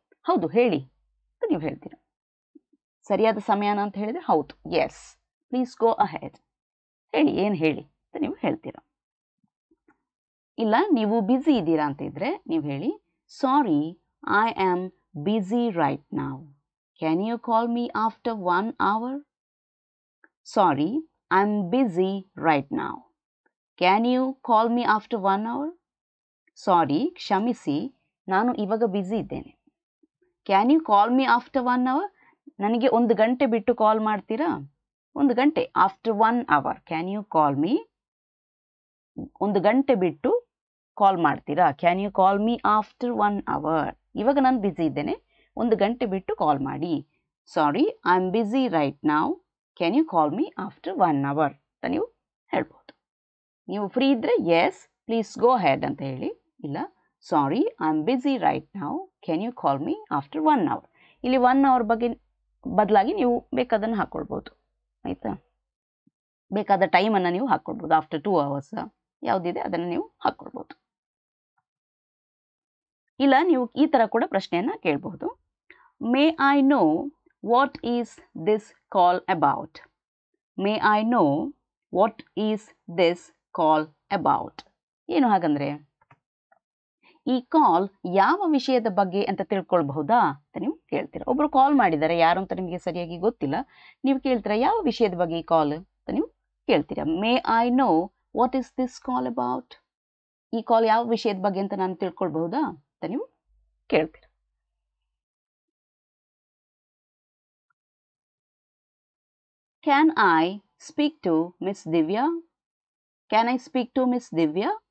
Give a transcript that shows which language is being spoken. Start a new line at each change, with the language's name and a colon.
Kannada: ಹೌದು ಹೇಳಿ ಅಂತ ನೀವು ಹೇಳ್ತೀರ. ಸರಿಯಾದ ಸಮಯನ ಅಂತ ಹೇಳಿದರೆ ಹೌದು,
English: yes please go ahead,
Kannada: ಹೇಳಿ ಏನು ಹೇಳಿ ಅಂತ ನೀವು ಹೇಳ್ತೀರ. ಇಲ್ಲ, ನೀವು ಬ್ಯುಸಿ ಇದ್ದೀರಾ ಅಂತ ಇದ್ದರೆ ನೀವು ಹೇಳಿ ಸಾರಿ
English: I am busy right now. Can you call me after 1 hour? Sorry, I'm busy right now. Can you call me after 1 hour? Sorry,
Kannada: kshamisi, nanu ivaga busy idene.
English: Can you call me after 1 hour?
Kannada: Nanige ondu gante bittu call martira? Ondu gante,
English: after 1 hour. Can you call me?
Kannada: Ondu gante bittu call martira?
English: Can you call me after 1 hour?
Kannada: Ivaga nan busy idene. ಒಂದು ಗಂಟೆ ಬಿಟ್ಟು ಕಾಲ್ ಮಾಡಿ.
English: sorry I am busy right now, can you call me after 1 hour
Kannada: ಅಂತ ನೀವು ಹೇಳ್ಬೋದು. ನೀವು free ಇದ್ದರೆ
English: yes please go ahead
Kannada: ಅಂತ ಹೇಳಿ, ಇಲ್ಲ
English: Sorry I am busy right now, can you call me after 1 hour.
Kannada: ಇಲ್ಲಿ 1 hour ಬಗ್ಗೆ ಬದಲಾಗಿ ನೀವು ಬೇಕಾದನ್ನು ಹಾಕ್ಕೊಳ್ಬೋದು, ಆಯಿತಾ? ಬೇಕಾದ ಟೈಮನ್ನು ನೀವು ಹಾಕ್ಕೊಳ್ಬೋದು,
English: after 2 hours
Kannada: ಯಾವುದಿದೆ ಅದನ್ನು ನೀವು ಹಾಕ್ಕೊಳ್ಬೋದು. ಇಲ್ಲ ನೀವು ಈ ಥರ ಕೂಡ ಪ್ರಶ್ನೆಯನ್ನು ಕೇಳ್ಬೋದು.
English: May I know what is this call about? May I know what is this call about?
Kannada: ಏನು ಹಾಗಂದರೆ ಈ ಕಾಲ್ ಯಾವ ವಿಷಯದ ಬಗ್ಗೆ ಅಂತ ತಿಳ್ಕೊಳ್ಬಹುದಾ ಅಂತ ನೀವು ಕೇಳ್ತೀರ. ಒಬ್ಬರು ಕಾಲ್ ಮಾಡಿದ್ದಾರೆ, ಯಾರು ಅಂತ ನಿಮಗೆ ಸರಿಯಾಗಿ ಗೊತ್ತಿಲ್ಲ, ನೀವು ಕೇಳ್ತೀರ ಯಾವ ವಿಷಯದ ಬಗ್ಗೆ ಈ ಕಾಲ್ ಅಂತ ನೀವು ಕೇಳ್ತೀರ.
English: may I know what is this call about,
Kannada: ಈ ಕಾಲ್ ಯಾವ ವಿಷಯದ ಬಗ್ಗೆ ಅಂತ ನಾನು ತಿಳ್ಕೊಳ್ಬಹುದಾ ಅಂತ ನೀವು ಕೇಳ್ತೀರ.
English: Can I speak to Miss Divya? Can I speak to Miss Divya?